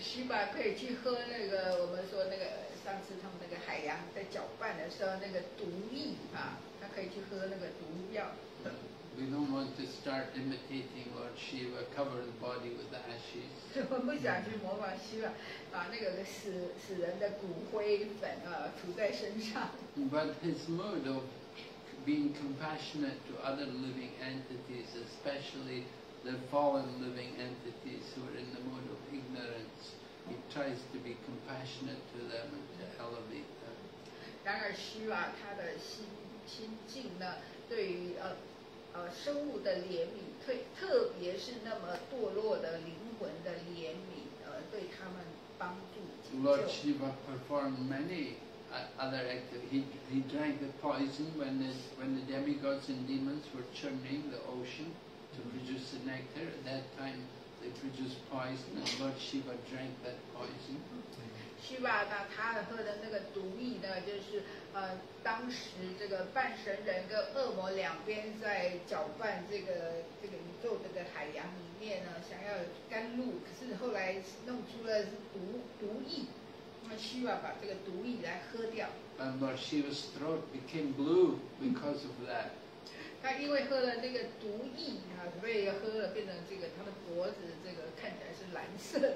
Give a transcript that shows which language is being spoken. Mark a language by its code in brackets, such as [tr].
[zh] Shiva 可以去喝那个我们说那个上次他们那个海洋在搅拌的时候那个毒液啊，他可以去喝那个毒药。 [en] We don't want to start imitating Lord Shiva, cover the body with the ashes. [zh] 我不想去模仿 Shiva, 把那个死人的骨灰粉涂在身上。 [en] But his mood of being compassionate to other living entities, especially the fallen living entities who are in the mood of ignorance, he tries to be compassionate to them and to elevate them. [zh] 然而 Shiva 他的心境呢，对于生物的怜悯，特别是那么堕落的灵魂的怜悯，对他们帮助解救。 [en] Lord Shiva performed many other activities. He drank the poison when the demigods and demons were churning the ocean to produce the nectar. At that time, they produced poison, and Lord Shiva drank that poison. [zh] Shiva 他喝的那个毒液呢，就是当时这个半神人跟恶魔两边在搅拌这个宇宙这个海洋里面呢，想要甘露，可是后来弄出了毒液，那Shiva把这个毒液来喝掉。 [en] And Lord Shiva's throat became blue because of that. [zh] 他因为喝了那个毒液啊，所以喝了变成这个他的脖子这个看起来是蓝色的。